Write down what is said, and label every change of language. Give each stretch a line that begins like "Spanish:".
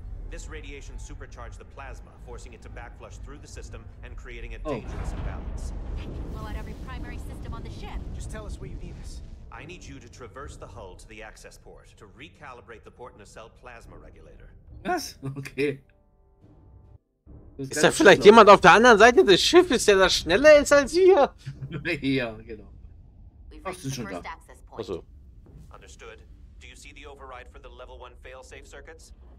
English: This radiation supercharged the plasma, forcing it to backflush through the system and creating a dangerous imbalance. That can blow out every primary system on the ship. Just tell us where you need us. I need you to traverse the hull to the access port to recalibrate the port nacelle plasma regulator.
German: Was? Okay. Ist da vielleicht jemand auf der anderen Seite des Schiffes, der da schneller ist als wir? Ja, genau. Ach, sind schon da. Achso.
English: Understood. Do you see the override for the level 1 fail-safe circuits?